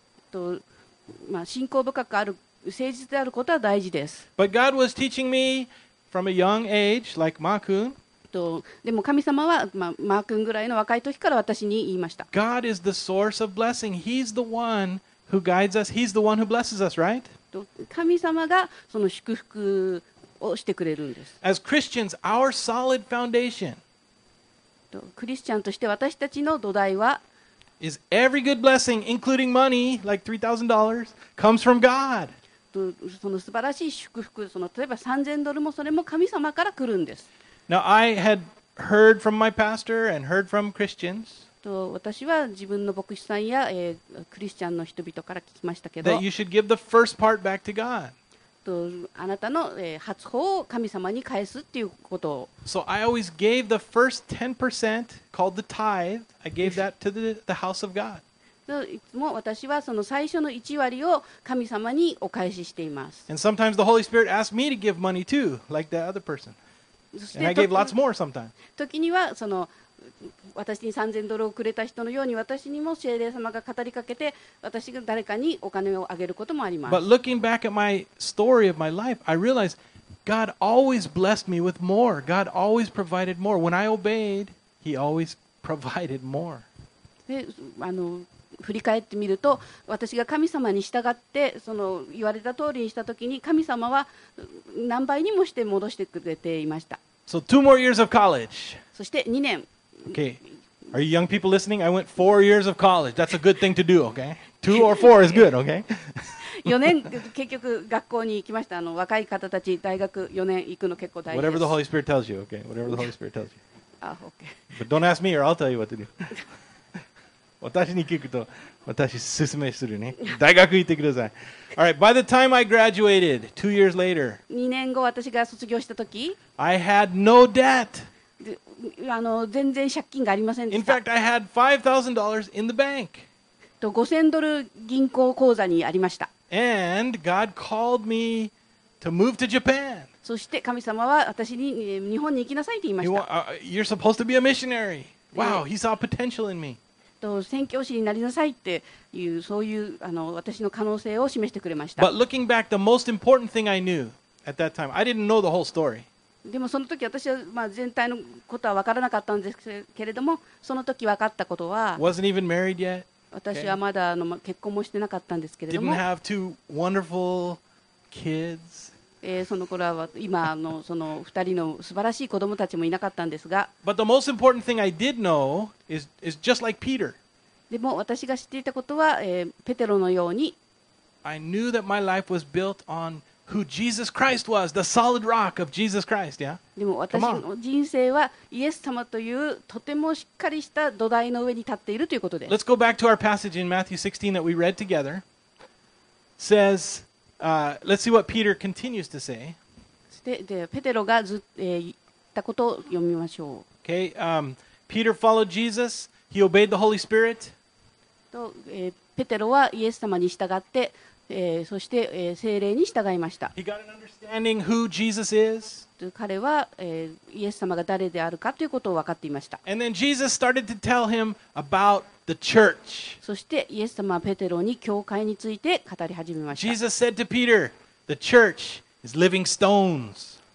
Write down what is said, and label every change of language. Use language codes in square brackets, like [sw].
[ja] と、まあ、信仰深くある誠実であることは大事です。 [en] But God was teaching me from a young age, like Ma-kun. [ja] でも神様は、まあ、マー君ぐらいの若い時から私に言いました。 [en] God is the source of blessing. He's the one who guides us. He's the one who blesses us, right? [ja] 神様がその祝福をしてくれるんです。 [en] As Christians, our solid foundation. [ja] クリスチャンとして私たちの土台は。 [en] Is every good blessing, including money, like $3,000, comes from God. [ja] その素晴らしい祝福、その例えば3000ドルもそれも神様から来るんです。 [en] Now, I had heard from my pastor and heard from Christians. [ja] と私は自分の牧師さんや、クリスチャンの人々から聞きましたけど、 [en] that you should give the first part back to God. [ja] とあなたの、初穂を神様に返すっていうことを。 [en] So I always gave the first 10%, called the tithe. I gave that to the house of God. [ja] いつも私はその最初の1割を神様にお返ししています。 [en] And sometimes the Holy Spirit asked me to give money too, like the other person. And I gave lots more sometimes. [ja] 時にはその私に3000ドルをくれた人のように私にも聖霊様が語りかけて私が誰かにお金をあげることもあります。 [en] But looking back at my story of my life, I realized God always blessed me with more. God always provided more. When I obeyed, He always provided more. [ja] で、あの振り返ってみると私が神様に従ってその言われた通りにしたときに神様は何倍にもして戻してくれていました。 [en] So two more years of college. [ja] そして2年。 [en] Okay. Are you young people listening? I went 4 years of college. That's a good thing to do, okay? Two or four is good, okay? [ja] 4年結局学校に行きました。あの若い方たち大学4年行くの結構大事です。 [en] Whatever the Holy Spirit tells you, okay? Whatever the Holy Spirit tells you. Ah, okay. But don't ask me or I'll tell you what to do. [ja] 私に聞くと私勧めするね。大学行ってください。 [en] All right, by the time I graduated, 2 years later, [ja] 2年後私が卒業した時、 [en] I had no debt. [ja] あの全然借金がありませんでした。 [en] In fact, I had $5,000 in the bank. [ja] 5000ドル銀行口座にありました。 [en] And God called me to move to Japan. [ja] そして神様は私に日本に行きなさいと言いました。 [en] You're supposed to be a missionary. Wow, he saw potential in me. [ja] と宣教師になりなさいっていうそういうあの私の可能性を示してくれました。 [en] But looking back, the most important thing I knew at that time, I didn't know the whole story. [ja] でもその時私はまあ全体のことは分からなかったんですけれどもその時分かったことは [en] Wasn't even married yet. [ja] 私はまだあの結婚もしてなかったんですけれども [en] Didn't have two wonderful kids. [ja] その頃は今のその2人の素晴らしい子供たちもいなかったんですが [en] But the most important thing I did know is just like Peter. [ja] でも私が知っていたことは、ペテロのように [en] I knew that my life was built onWho Jesus Christ was, the solid rock of Jesus Christ, yeah? [ja] でも私の人生はイエス様というとてもしっかりした土台の上に立っているということです。 [en] Let's go back to our passage in Matthew 16 that we read together. Says, let's see what Peter continues to say. [ja] でペテロがずっと、言ったことを読みましょう。 [en] Okay, Peter followed Jesus. He obeyed the Holy Spirit. [ja] と、ペテロはイエス様に従ってそして、聖霊に従いました。 [en] He got an understanding who Jesus is. [ja] 彼は、イエス様が誰であるかということを分かっていました。 [en] And then Jesus started to tell him about the church. [ja] そして、イエス様はペテロに教会について語り始めました。 [en] Jesus said to Peter, "The church is living stones."